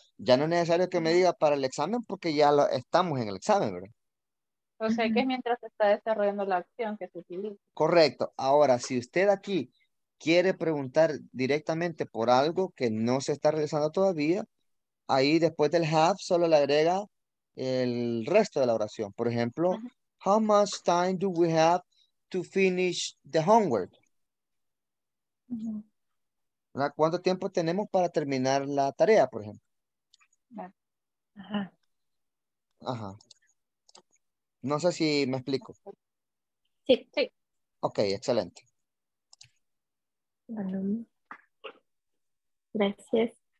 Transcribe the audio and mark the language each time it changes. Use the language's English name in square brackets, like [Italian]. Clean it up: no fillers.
[Spanish] Ya no es necesario que me diga para el examen porque ya estamos en el examen, ¿verdad? O sea, que es mientras se está desarrollando la acción que se utiliza. Correcto. Ahora, si usted aquí quiere preguntar directamente por algo que no se está realizando todavía, ahí después del have solo le agrega el resto de la oración. Por ejemplo, [English] how much time do we have to finish the homework? Uh-huh. [Spanish] ¿Cuánto tiempo tenemos para terminar la tarea, por ejemplo? Ajá. Ajá. No sé si me explico. Sí, sí. Ok, excelente. Bueno, gracias.